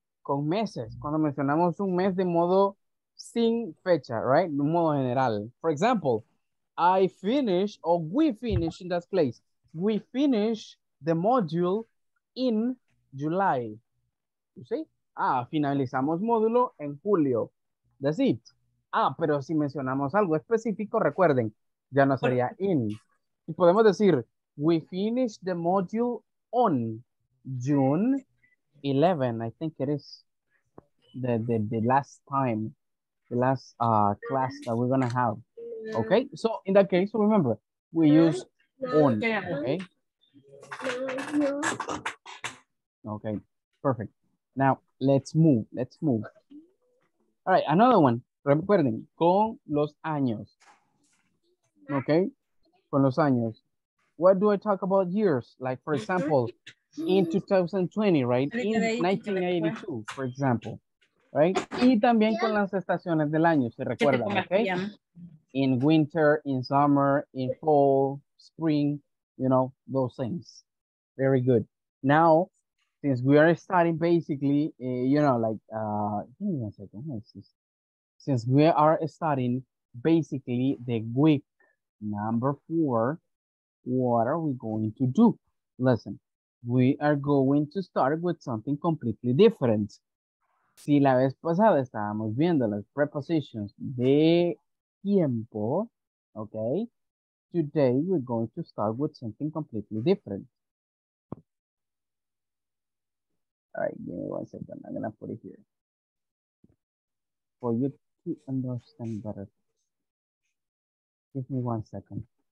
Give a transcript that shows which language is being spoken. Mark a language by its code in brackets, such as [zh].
[es] Con meses, cuando mencionamos un mes de modo sin fecha, right? De modo general. [en] For example, I finish or we finish in that place. We finish the module in July. You see? [es] Ah, finalizamos módulo en julio. [en] That's it. [es] Ah, pero si mencionamos algo específico, recuerden, ya no sería in. Y podemos decir, [en] we finish the module on June 11. I think it is the last time, the last class that we're going to have. Okay, so in that case, remember, we use on, okay? Okay, perfect. Now, let's move. All right, another one. [es] Recuerden, con los años. Okay, con los años. [en] What do I talk about years? Like, for example, in 2020, right? In 1982, for example, right? [es] Y también con las estaciones del año, si recuerdan, okay? [en] In winter, in summer, in fall, spring, you know, those things. Very good. Now, since we are starting basically, you know, like, give me a second. Since we are studying basically the week number 4, what are we going to do? Listen, we are going to start with something completely different. [es] Si la vez pasada estábamos viendo las prepositions de tiempo, okay? [en] Today we're going to start with something completely different. All right, give me one second. I'm gonna put it here for you to understand better. Give me one second.